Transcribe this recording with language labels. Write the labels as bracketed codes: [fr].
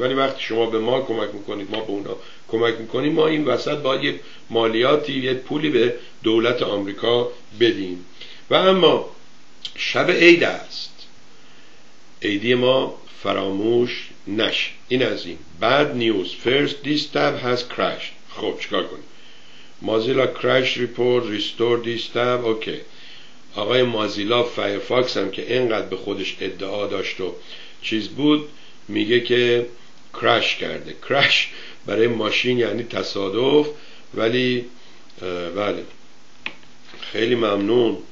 [fa] ولی وقتی شما به ما کمک میکنید، ما به اونا کمک میکنیم، ما این وسط باید یه مالیاتی، یه پولی به دولت آمریکا بدیم. و اما شب عید است، عیدی ما فراموش نشه. این از این [en] bad news. First this tab has crashed. [fa] خب چیکار کنیم؟ [en] Mozilla crash report restore this tab. [fa] اوکی. آقای مازیلا فایرفاکس هم که اینقدر به خودش ادعا داشت و چیز بود، میگه که crash کرده. crash برای ماشین یعنی تصادف. ولی بله، خیلی ممنون.